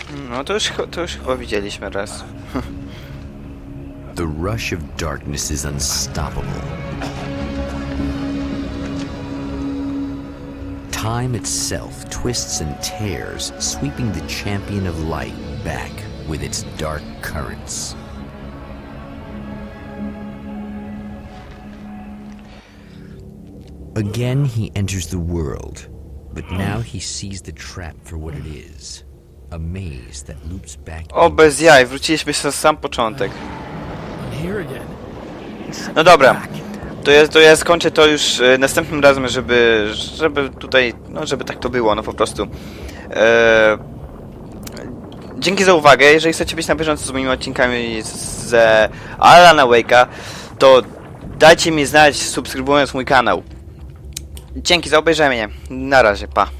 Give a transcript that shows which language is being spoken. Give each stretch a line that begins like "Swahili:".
Polish: No to już chyba widzieliśmy raz.
English: The rush of darkness is unstoppable. Time itself twists and tears, sweeping the champion of light back with its dark currents. Again he enters the world, but now he sees the trap for what it is. A maze that loops back.
Polish: O, bez jaj, wróciliśmy na sam początek. No dobra. To ja skończę to już następnym razem, żeby tutaj, no żeby tak to było, no po prostu. Dzięki za uwagę, jeżeli chcecie być na bieżąco z moimi odcinkami z Alana Wake'a, to dajcie mi znać, subskrybując mój kanał. Dzięki za obejrzenie, na razie, pa.